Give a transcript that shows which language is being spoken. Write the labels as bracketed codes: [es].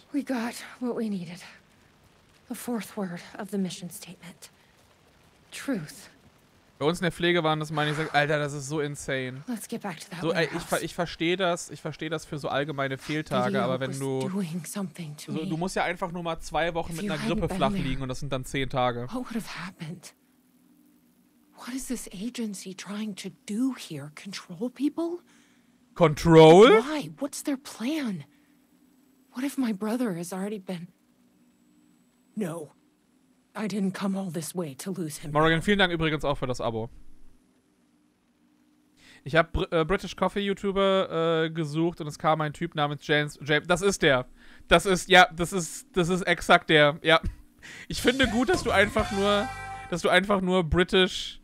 [en] We got what we needed. The fourth word of the mission statement. Truth. [de] Bei uns in der Pflege waren das, meine ich, sag, Alter, das ist so insane. [en] Let's get back to that so, warehouse. [de] Ich verstehe das für so allgemeine Fehltage, aber wenn du... So, du musst ja einfach nur mal zwei Wochen mit einer Grippe flach liegen und das sind dann 10 Tage. [en] What would have happened? What is this agency trying to do here? Control people? Control? Why? What's their plan? What if my brother has already been... No. I didn't come all this way to lose him. [de] Morgan, vielen Dank übrigens auch für das Abo. Ich habe British Coffee YouTuber gesucht und es kam ein Typ namens James. Das ist der. Das ist exakt der. Ja. Ich finde gut, dass du einfach nur British.